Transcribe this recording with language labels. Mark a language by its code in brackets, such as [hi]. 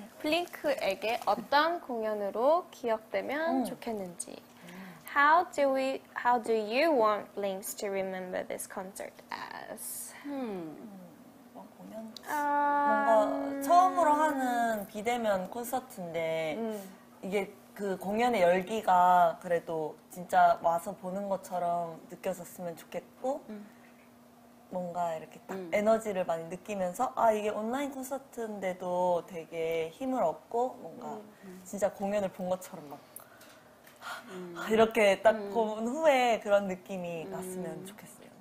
[ko] 블링크에게 어떤 공연으로 기억되면 좋겠는지. [en] How do you want Blinks to remember this concert as? [ko] 뭔가 처음으로 하는 비대면 콘서트인데 이게. 그 공연의 열기가 그래도 진짜 와서 보는 것처럼 느껴졌으면 좋겠고 뭔가 이렇게 딱 에너지를 많이 느끼면서 아 이게 온라인 콘서트인데도 되게 힘을 얻고 뭔가 진짜 공연을 본 것처럼 막 이렇게 딱 본 후에 그런 느낌이 났으면 좋겠어요.